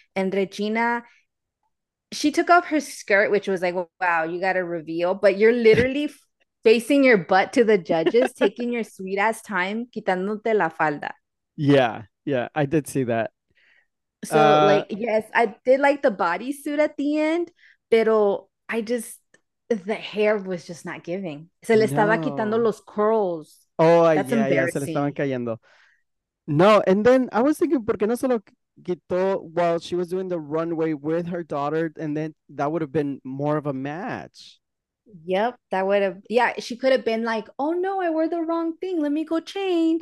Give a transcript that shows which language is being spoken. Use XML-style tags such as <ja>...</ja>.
<en>And Regina, she took off her skirt, which was like, wow, you got a reveal, but you're literally facing your butt to the judges, taking your sweet ass time,</en> <es>quitándote la falda.</es> <en>Yeah, I did see that. So yes, I did like the bodysuit at the end, pero I just, the hair was just not giving.</en> <es>Se le estaba quitando los curls.</es> <en>Oh, yeah,</en> <es>se le estaban cayendo.</es> <en>No, and then I was thinking,</en> <es>¿por qué no solo quitó</es> <en>while she was doing the runway with her daughter? And then that would have been more of a match. Yep, that would have, yeah, she could have been like, oh no, I wore the wrong thing, let me go change.</en>